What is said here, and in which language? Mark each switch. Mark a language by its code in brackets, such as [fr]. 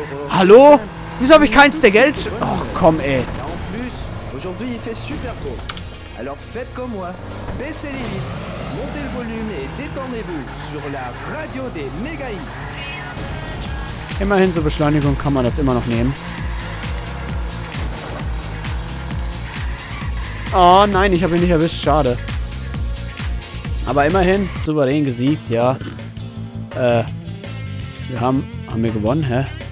[de] Hallo? Wieso habe ich keins der Geld? Ach komm, ey. [fr] Aujourd'hui il fait super beau. Alors faites comme moi, baissez les vitres, montez le volume et détendez-vous sur la radio des méga hits. [de] Immerhin zur Beschleunigung kann man das immer noch nehmen. Oh nein, ich habe ihn nicht erwischt, schade. Aber immerhin, souverän gesiegt, ja. Haben wir gewonnen, hä?